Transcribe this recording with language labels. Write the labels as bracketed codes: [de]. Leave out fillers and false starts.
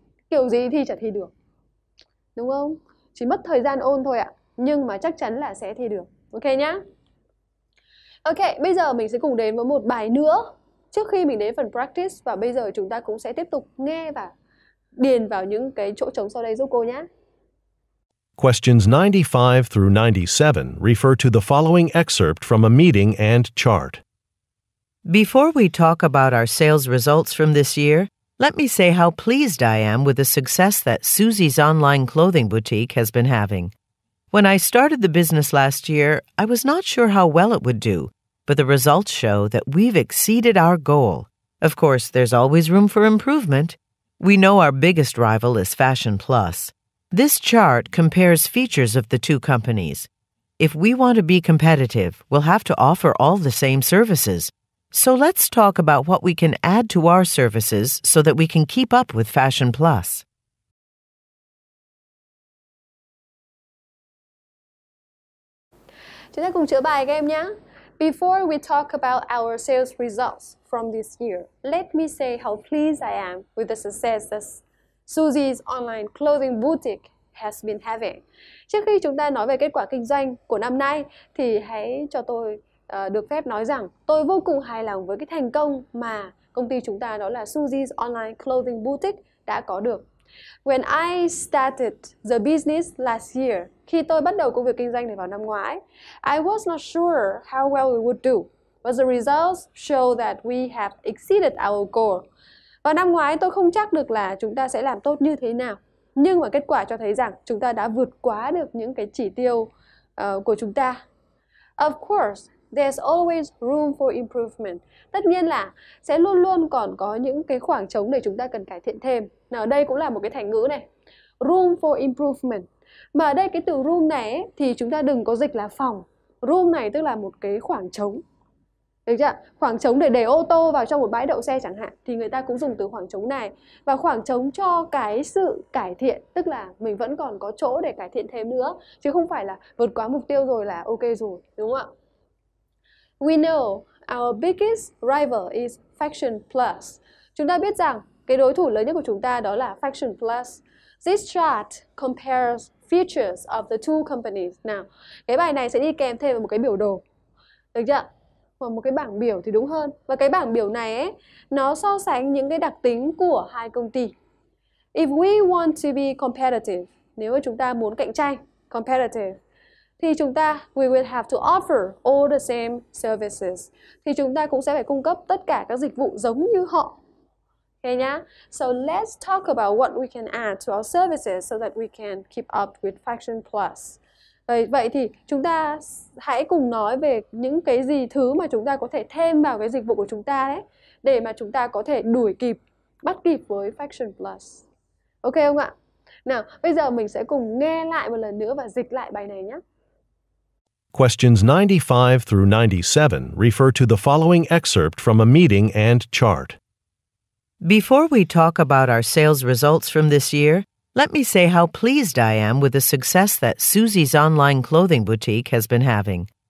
[vi] Kiểu gì thi chả thi được, đúng không? Chỉ mất thời gian ôn thôi ạ, nhưng mà chắc chắn là sẽ thi được. Ok nhá. Ok, bây giờ mình sẽ cùng đến với một bài nữa trước khi mình đến phần practice. Và bây giờ chúng ta cũng sẽ tiếp tục nghe và điền vào những cái chỗ trống sau đây giúp cô nhá. [en] Questions 95 through 97 refer to the following excerpt from a meeting and chart. Before we talk about our sales results from this year, let me say how pleased I am with the success that Susie's online clothing boutique has been having. When I started the business last year, I was not sure how well it would do, but the results show that we've exceeded our goal. Of course, there's always room for improvement. We know our biggest rival is Fashion Plus. This chart compares features of the two companies. If we want to be competitive, we'll have to offer all the same services. So let's talk about what we can add to our services so that we can keep up with Fashion Plus. [vi] Chúng ta cùng chữa bài các em nhé. [en] Before we talk about our sales results from this year. Let me say how pleased I am with the success that Suzy's online clothing boutique has been having. [vi] Trước khi chúng ta nói về kết quả kinh doanh của năm nay, thì hãy cho tôi được phép nói rằng tôi vô cùng hài lòng với cái thành công mà công ty chúng ta, đó là Suzy's online clothing boutique, đã có được. [en] When I started the business last year, [vi] khi tôi bắt đầu công việc kinh doanh này vào năm ngoái, [en] I was not sure how well we would do. But the results show that we have exceeded our goal. [vi] Vào năm ngoái, tôi không chắc được là chúng ta sẽ làm tốt như thế nào. Nhưng mà kết quả cho thấy rằng chúng ta đã vượt quá được những cái chỉ tiêu của chúng ta. [en] Of course, there's always room for improvement. [vi] Tất nhiên là sẽ luôn luôn còn có những cái khoảng trống để chúng ta cần cải thiện thêm. Nào, đây cũng là một cái thành ngữ này, [en] room for improvement. [vi] Mà ở đây cái từ room này ấy, thì chúng ta đừng có dịch là phòng. Room này tức là một cái khoảng trống. Được chưa? Khoảng trống để ô tô vào trong một bãi đậu xe chẳng hạn, thì người ta cũng dùng từ khoảng trống này. Và khoảng trống cho cái sự cải thiện, tức là mình vẫn còn có chỗ để cải thiện thêm nữa, chứ không phải là vượt quá mục tiêu rồi là ok rồi, đúng không ạ? [en] We know our biggest rival is Fashion Plus. [vi] Chúng ta biết rằng cái đối thủ lớn nhất của chúng ta đó là Fashion Plus. [en] This chart compares features of the two companies. [vi] Now, cái bài này sẽ đi kèm thêm một cái biểu đồ, được chưa? Hoặc một cái bảng biểu thì đúng hơn. Và cái bảng biểu này ấy, nó so sánh những cái đặc tính của hai công ty. [en] If we want to be competitive, [vi] nếu chúng ta muốn cạnh tranh, [en] competitive, [vi] thì chúng ta, [en] we will have to offer all the same services. [vi] Thì chúng ta cũng sẽ phải cung cấp tất cả các dịch vụ giống như họ. Okay, nhá. [en] So let's talk about what we can add to our services so that we can keep up with Fashion Plus. [vi] Vậy thì chúng ta hãy cùng nói về những cái gì, thứ mà chúng ta có thể thêm vào cái dịch vụ của chúng ta đấy, để mà chúng ta có thể đuổi kịp, bắt kịp với Fashion Plus. Ok không ạ? Nào, bây giờ mình sẽ cùng nghe lại một lần nữa và dịch lại bài này nhé. [en] Questions 95 through 97 refer to the following excerpt from a meeting and chart. Before we talk about our sales results from this year, let me say how pleased I am with the success that Suzy's online clothing boutique has been having.